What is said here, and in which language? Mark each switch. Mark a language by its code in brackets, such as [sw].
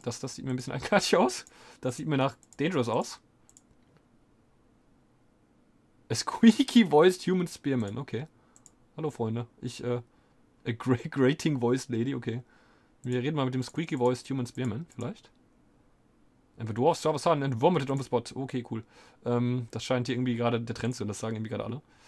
[de] Das sieht mir ein bisschen eigenartig aus. Das sieht mir nach dangerous aus. [en] A squeaky voiced human spearman, okay. [de] Hallo Freunde, ich, [en] a grating voiced lady, okay. [de] Wir reden mal mit dem [en] squeaky voiced human spearman, [de] vielleicht. [en] And the dwarf saw a sun and vomited on the spot. Okay, cool. [de] Das scheint hier irgendwie gerade der Trend zu sein, das sagen irgendwie gerade alle.